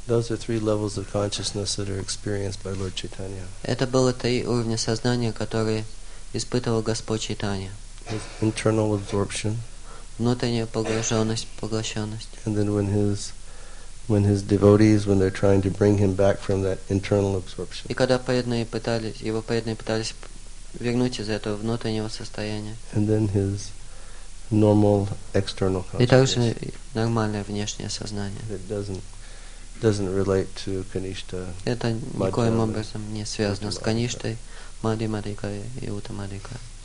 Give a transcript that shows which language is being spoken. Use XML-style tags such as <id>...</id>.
<en>Those are three levels of consciousness that are experienced by Lord Chaitanya.</en> <ru>Это было три уровня сознания, которые испытывал Господь Чайтанья.</ru> <en>Internal absorption.</en> <ru>Внутренняя погруженность, поглощенность.</ru> <en>And then when his devotees, when they're trying to bring him back from that internal absorption.</en> <ru>И когда преданные пытались вернуть из этого внутреннего состояния.</ru> <en>And then his normal external consciousness.</en> <ru>И также нормальное внешнее сознание.</ru> <en>It doesn't relate to Kanishta.</en> <ru>Это никоим образом не связано с Каништой, Мадхи Мадхикой и Ута Мадхикой.</ru>